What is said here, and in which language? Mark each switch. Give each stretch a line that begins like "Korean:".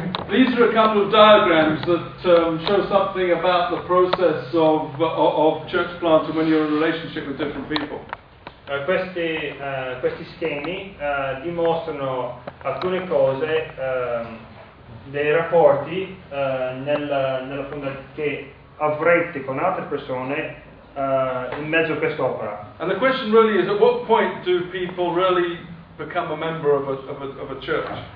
English: These are a couple of diagrams that show something about the process of church planting when you're in a relationship with different people.
Italian: Questi schemi dimostrano alcune cose dei rapporti nella fondazione che avrete con altre persone in mezzo a quest'opera.
English: And the question really is, at what point do people really become a member of a church?